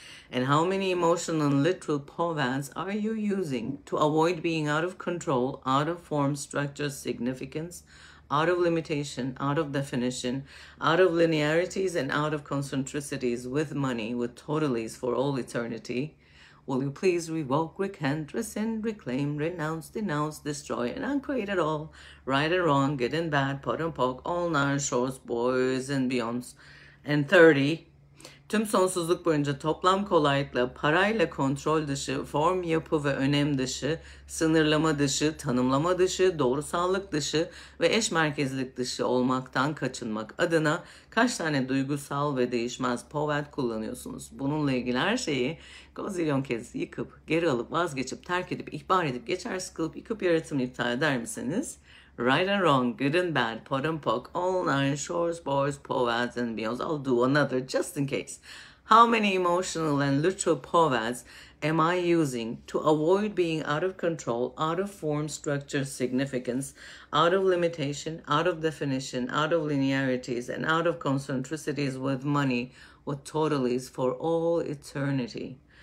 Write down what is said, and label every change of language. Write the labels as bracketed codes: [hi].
[en] And how many emotional and literal povas are you using to avoid being out of control, out of form, structure, significance, out of limitation, out of definition, out of linearities, and out of concentricities with money, with total ease for all eternity? Will you please revoke, recant, rescind, reclaim, renounce, denounce, destroy, and uncreate it all? Right and wrong, good and bad, pot and pock, all nine shores, boys, and beyonds. And 30. [tr] Tüm sonsuzluk boyunca toplam kolaylıkla, parayla kontrol dışı, form yapı ve önem dışı, sınırlama dışı, tanımlama dışı, doğrusallık dışı ve eş merkezlik dışı olmaktan kaçınmak adına kaç tane duygusal ve değişmez povet kullanıyorsunuz? Bununla ilgili her şeyi gazilyon kez yıkıp, geri alıp, vazgeçip, terk edip, ihbar edip, geçersiz kılıp, yıkıp yaratımını iptal eder misiniz? [en] Right and wrong, good and bad, pot and pock, all nine shores, boys, povas, and beyonds. I'll do another just in case. How many emotional and literal povas am I using to avoid being out of control, out of form, structure, significance, out of limitation, out of definition, out of linearities, and out of concentricities with money, with total ease for all eternity?